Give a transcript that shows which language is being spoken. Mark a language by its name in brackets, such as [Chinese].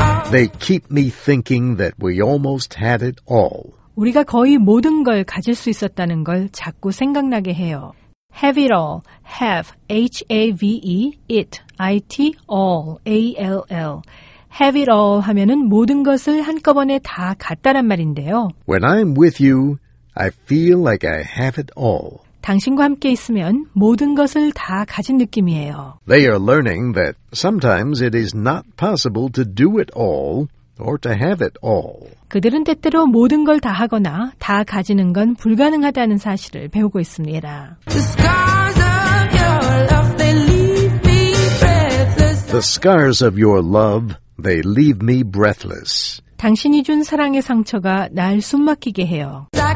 [English] They keep me thinking that we almost had it all. [Korean] 우리가 거의 모든 걸 가질 수 있었다는 걸 자꾸 생각나게 해요. [English] Have it all. Have. H-A-V-E. It. I-T. All. A-L-L. Have it all [Korean] 하면은 모든 것을 한꺼번에 다 갖다란 말인데요. [English] When I'm with you, I feel like I have it all. [Korean] 당신과 함께 있으면 모든 것을 다 가진 느낌이에요. [English] They are learning that sometimes it is not possible to do it all or to have it all. [Korean] 그들은 때때로 모든 걸 다 하거나 다 가지는 건 불가능하다는 사실을 배우고 있습니다. [English] The scars of your love, they leave me breathless. The scars of your love, they leave me breathless. [Korean] 당신이 준 사랑의 상처가 날 숨막히게 해요.